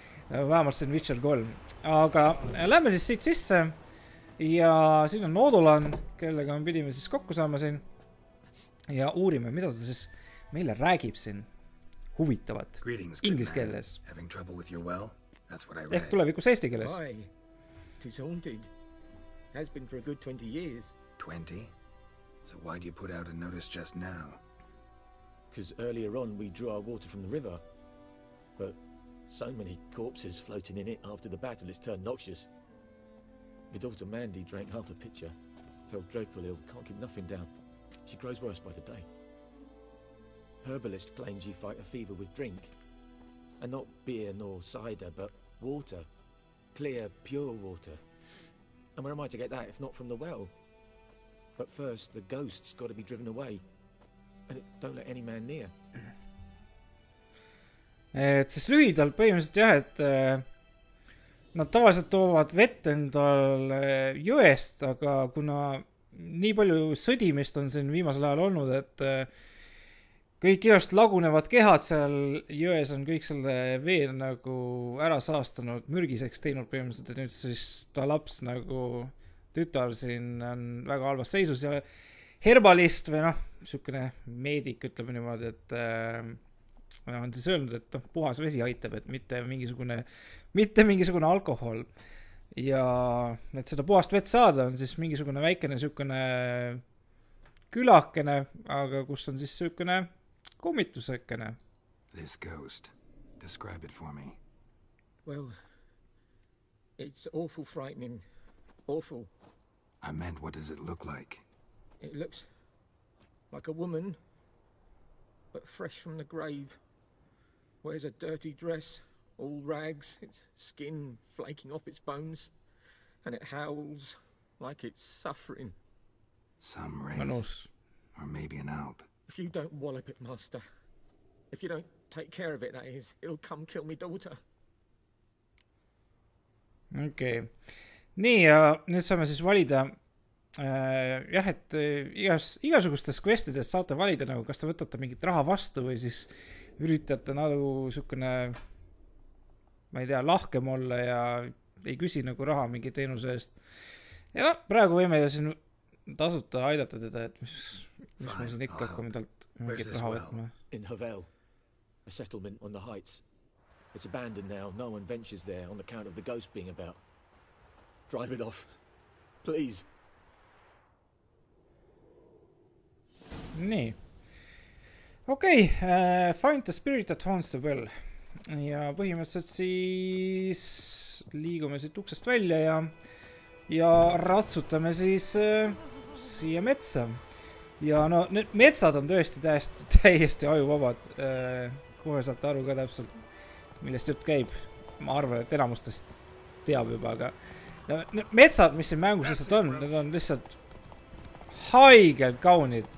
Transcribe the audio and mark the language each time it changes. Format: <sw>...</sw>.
<et>Vähemalt siin Witcher 3. Aga lähme siis siit sisse ja siin on Nodulan, kellega me pidime siis kokku saama siin ja uurime, mida ta siis meile räägib siin huvitavat ingliskeeles. Ehk tulevikus eesti keeles.</et> <en>It's haunted. Has been for a good 20 years. 20? So why do you put out a notice just now? Because earlier on we drew our water from the river. But so many corpses floating in it after the battle has turned noxious. My daughter Mandy drank half a pitcher. Felt dreadful ill. Can't keep nothing down. She grows worse by the day. Herbalist claims you fight a fever with drink. And not beer nor cider, but water. Clear, pure water. And where am I to get that if not from the well? But first, the ghost's got to be driven away. And don't let any man near.</en> <et>Et siis lühidalt põhimõtteliselt jah, et nad tavaliselt toovad vett endal jõest, aga kuna nii palju sõdimist on siin viimasel ajal olnud, et kõik igast lagunevad kehad seal jões on kõik selle vee nagu ära saastanud, mürgiseks teinud põhimõtteliselt, et nüüd siis ta laps nagu tütar siin on väga halvas seisus ja herbalist või noh, sellukene meedik ütleb niimoodi, et on siis öelnud, et puhas vesi aitab, et mitte mingisugune alkohol. Ja et seda puhast vett saada on siis mingisugune väikene siukene külakene, aga kus on siis siukene kummitusekene.</et> <en>This ghost, describe it for me. Well, it's awful frightening. Awful. I meant, what does it look like? It looks like a woman, but fresh from the grave. Wears a dirty dress, all rags, its skin flaking off its bones, and it howls like it's suffering. Some wraith, or maybe an alp. If you don't wallop it, master, if you don't take care of it, that is, it'll come kill me daughter. Okei.</en> <et>Nii, ja nüüd saame siis valida, jah, et igasugustes questides saate valida, nagu kas te võtate mingit raha vastu või siis üritate nagu sukkune, ma ei tea, lahkem olla ja ei küsi nagu raha mingi teenuse eest. Ja no, praegu võime ju siin tasuta aidata teda, et mis ma siin ikka hakkame talt mingit raha võtma.</et> <en>In Havel, a settlement on the heights. It's abandoned now. No one ventures there on account of the ghost being about. Drive it off. Please. Nii. Okei. Okay. Find the spirit that haunts the well.</en> <et>Ja põhimõtteliselt siis liigume siit uksest välja ja ratsutame siis siia metsa. Ja no, need metsad on tõesti täiesti ajuvabad. Kohe saate aru ka täpselt. Millest jõud käib, ma arvan, et enamustest teab juba, aga metsad, mis siin mängus lihtsalt on, need on lihtsalt haigelt kaunid.</et>